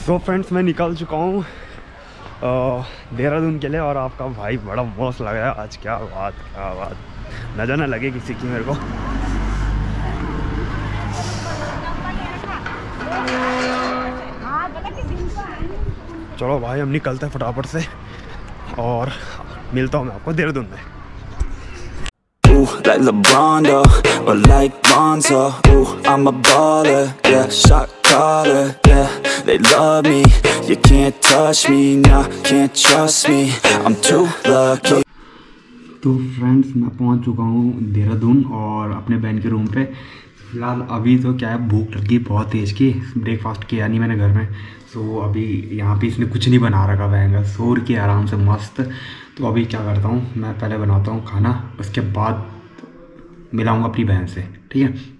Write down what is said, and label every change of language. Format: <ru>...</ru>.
<en>so friends,</en> <hi>मैं निकल चुका हूँ देहरादून के लिए, और आपका भाई बड़ा मस्त लग रहा है आज, क्या बात, नजर ना लगे किसी की मेरे को। चलो भाई हम निकलते हैं फटाफट से, और मिलता हूँ मैं आपको देहरादून में।</hi> <en>Like LeBron, though, or like Bonzo. Ooh, I'm a baller, yeah, shot caller, yeah. They love me, you can't touch me, nah, can't trust me. I'm too lucky.</en> <hi>तो फ्रेंड्स, मैं पहुंच चुका हूँ देहरादून और अपने बहन के रूम पे। फिलहाल अभी तो क्या है, भूख लगी बहुत तेज की, ब्रेकफास्ट किया नहीं मैंने घर में। तो अभी यहाँ पे इसने कुछ नहीं बना रखा, वह जोर के आराम से मस्त। तो अभी क्या करता हूँ मैं, पहले बनाता हूँ खाना, उसके बाद मिलाऊँगा अपनी बहन से, ठीक है।</hi>